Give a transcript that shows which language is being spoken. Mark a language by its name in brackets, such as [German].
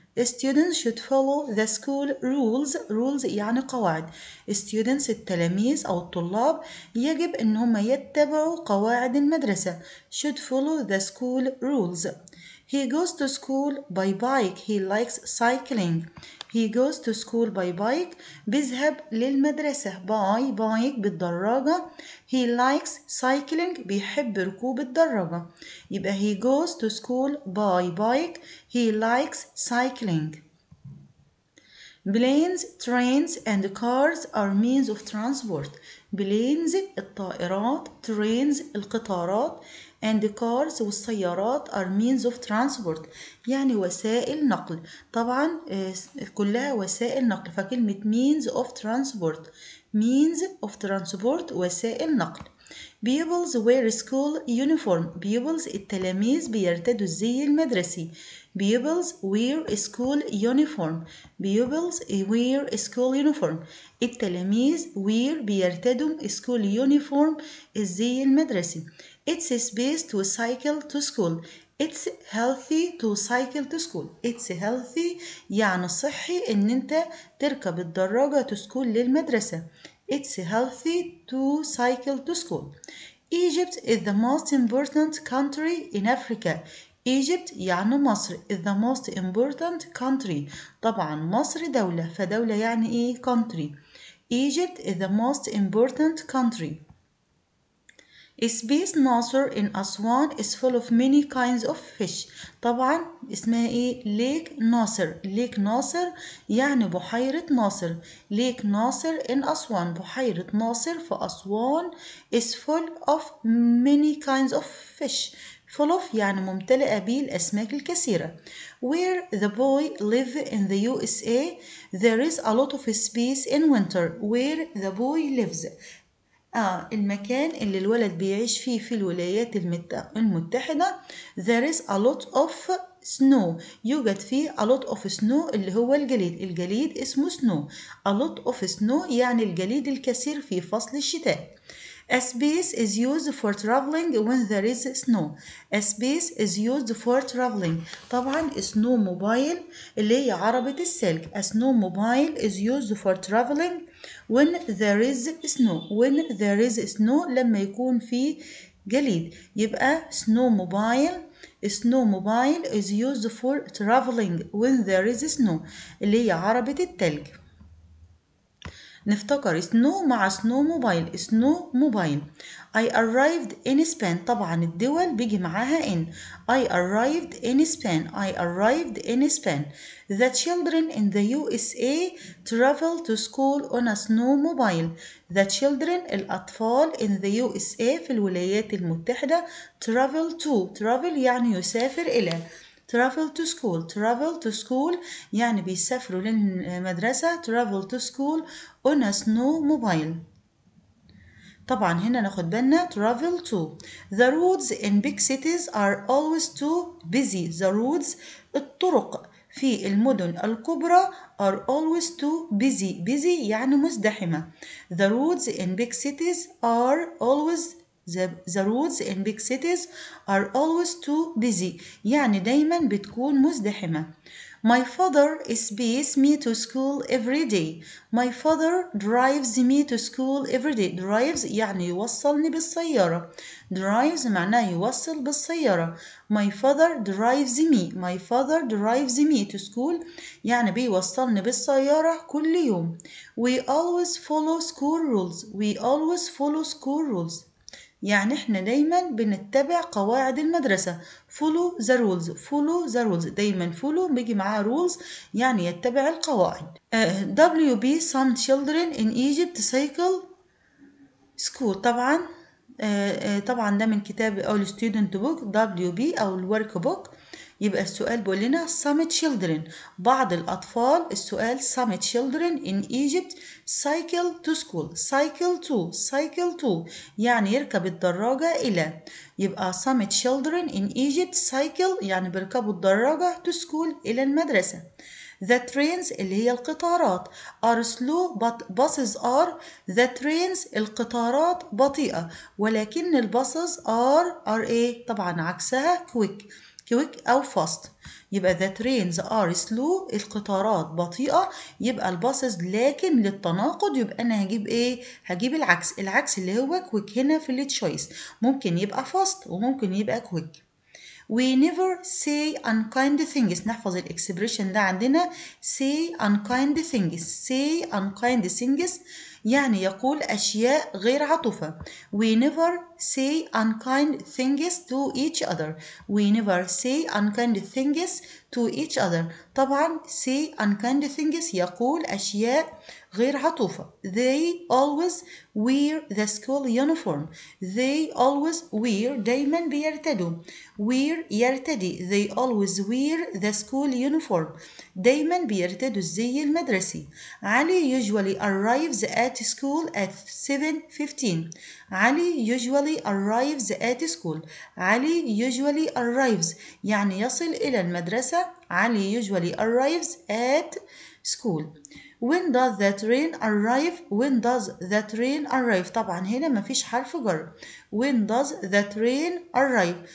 [English] Students should follow the school rules. Rules [Arabic] يعني قواعد. [English] Students [Arabic] التلاميذ أو الطلاب يجب إن هم يتبعوا قواعد المدرسة. [English] Should follow the school rules. He goes to school by bike. He likes cycling. He goes to school by bike. [Arabic] بيذهب للمدرسة [English] by bike [Arabic] بالدراجة. [English] He likes cycling. [Arabic] بيحب ركوب الدراجة. يبقى [English] he goes to school by bike. He likes cycling. Planes, trains and cars are means of transport. Planes [Arabic] الطائرات. [English] Trains [Arabic] القطارات. [English] And cars [Arabic] والسيارات [English] are means of transport [Arabic] يعني وسائل نقل. طبعا كلها وسائل نقل فكلمة [English] means of transport. Means of transport [Arabic] وسائل نقل. [English] Pupils wear school uniform. Pupils [Arabic] التلاميذ بيرتدوا الزي المدرسي. [English] Pupils wear school uniform. Pupils wear school uniform. [Arabic] التلاميذ [English] wear [Arabic] بيرتدوا [English] school uniform [Arabic] الزي المدرسي. [English] It's safe to cycle to school. It's healthy to cycle to school. It's healthy [Arabic] يعني صحي ان انت تركب الدراجة [English] to school [Arabic] للمدرسة. [English] It's healthy to cycle to school. Egypt is the most important country in Africa. [Arabic] Egypt يعني مصر. [English] Is the most important country. [Arabic] طبعا مصر دولة فدولة يعني ايه [English] country. Egypt is the most important country. Space Nasser in Aswan is full of many kinds of fish. [Arabic] طبعا اسمها ايه Lake Nasser. Lake Nasser يعني بحيرة ناصر. [English] Lake Nasser in Aswan [Arabic] بحيرة ناصر في أسوان [English] is full of many kinds of fish. full of [Arabic] يعني ممتلئة بالأسماك الكثيرة. [English] Where the boy live in the USA, there is a lot of space in winter. Where the boy lives. [Arabic] المكان اللي الولد بيعيش فيه في الولايات المتحدة [English] there is a lot of snow. [Arabic] يوجد فيه [English] a lot of snow [Arabic] اللي هو الجليد. الجليد اسمه [English] snow. A lot of snow [Arabic] يعني الجليد الكثير في فصل الشتاء. [English] A space is used for traveling when there is snow. A space is used for traveling. [Arabic] طبعا [English] snow mobile [Arabic] اللي هي عربة السلك. [English] A snow mobile is used for traveling when there is snow. When there is snow [Arabic] لما يكون في جليد. يبقى [English] snow mobile. Snowmobile is used for traveling when there is snow [Arabic] اللي هي عربة التلج. نفتكر [English] snow [Arabic] مع [English] snowmobile. Snowmobile. I arrived in Spain. [Arabic] طبعا الدول بيجي معاها [English] in. I arrived in Spain. I arrived in Spain. The children in the USA travel to school on a snowmobile. The children [Arabic] الأطفال [English] in the USA [Arabic] في الولايات المتحدة [English] travel to. Travel [Arabic] يعني يسافر إلى. [English] Travel to school. Travel to school [Arabic] يعني بيسافروا للمدرسة. [English] Travel to school on a snowmobile. [Arabic] طبعا هنا ناخد بالنا [English] travel to. The roads in big cities are always too busy. The roads [Arabic] الطرق في المدن الكبرى [English] are always too busy. Busy [Arabic] يعني مزدحمة. [English] The roads in big cities are always the roads in big cities are always too busy. [Arabic] يعني دايما بتكون مزدحمة. [English] My father takes me to school every day. My father drives me to school every day. Drives [Arabic] يعني يوصلني بالسيارة. Drives معناه يوصل بالسيارة. [English] My father drives me. My father drives me to school [Arabic] يعني بيوصلني بالسيارة كل يوم. [English] We always follow school rules. We always follow school rules. [Arabic] يعني احنا دايما بنتبع قواعد المدرسة. [English] follow the rules. follow the rules [Arabic] دايما [English] follow [Arabic] بيجي معاه [English] rules [Arabic] يعني يتبع القواعد. [English] WB some children in Egypt cycle school. [Arabic] طبعا طبعا ده من كتاب او [English] student book. [Arabic] WB او الورك بوك. يبقى السؤال بيقول لنا [English] some children [Arabic] بعض الأطفال. السؤال [English] some children in Egypt cycle to school. cycle to. cycle to [Arabic] يعني يركب الدراجة إلى. يبقى [English] some children in Egypt cycle [Arabic] يعني بيركبوا الدراجة [English] to school [Arabic] إلى المدرسة. [English] The trains [Arabic] اللي هي القطارات [English] are slow but buses are. The trains [Arabic] القطارات بطيئة ولكن الباصز [English] are [Arabic] إيه؟ طبعا عكسها [English] quick. quick [Arabic] أو [English] fast. [Arabic] يبقى [English] the trains are slow. [Arabic] القطارات بطيئة. يبقى الباصز لكن للتناقض يبقى أنا هجيب إيه؟ هجيب العكس. العكس اللي هو [English] quick [Arabic] هنا في [English] the choice. [Arabic] ممكن يبقى [English] fast [Arabic] وممكن يبقى [English] quick. We never say unkind things. [Arabic] نحفظ الإكسبريشن ده عندنا. [English] Say unkind things. Say unkind things [Arabic] يعني يقول أشياء غير عطوفة. [English] We never say unkind things to each other. We never say unkind things to each other. [Arabic] طبعا [English] say unkind things [Arabic] يقول أشياء غير عطوفة. [English] They always wear the school uniform. They always wear [Arabic] دايما بيرتدوا. [English] Wear [Arabic] يرتدي. [English] They always wear the school uniform. [Arabic] دايما بيرتدوا الزي المدرسي. [English] علي usually arrives at school at 7:15. علي usually arrives at school. [Arabic] علي [English] usually arrives [Arabic] يعني يصل إلى المدرسة. [English] علي usually arrives at school. When does the train arrive? When does the train arrive? [Arabic] طبعا هنا ما فيش حرف جر. [English] When does the train arrive?